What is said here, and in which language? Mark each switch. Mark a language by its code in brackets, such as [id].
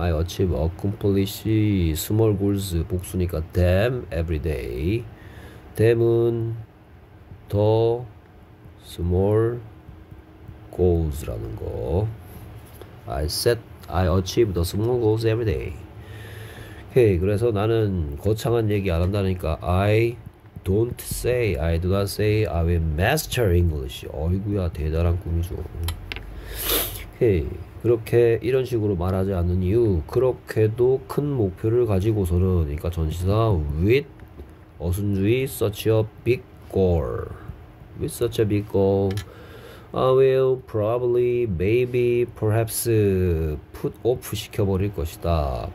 [en] I achieve, accomplish small goals. [ko] 복수니까 [en] them every day. [ko] them은 더 [en] small goals [ko] 라는 거. [en] I achieve the small goals every day. 오케이. [ko] 그래서 나는 거창한 얘기 안 한다니까. [en] I do not say I will master English. [ko] 어이구야, 대단한 꿈이죠. 오케이. 그렇게 이런 식으로 말하지 않는 이유. 그렇게도 큰 목표를 가지고서는, 그러니까 전치사 with 어순주의 [en] such a big goal. with such a big goal. I will probably, maybe, perhaps, put off [ko] 시켜버릴 것이다.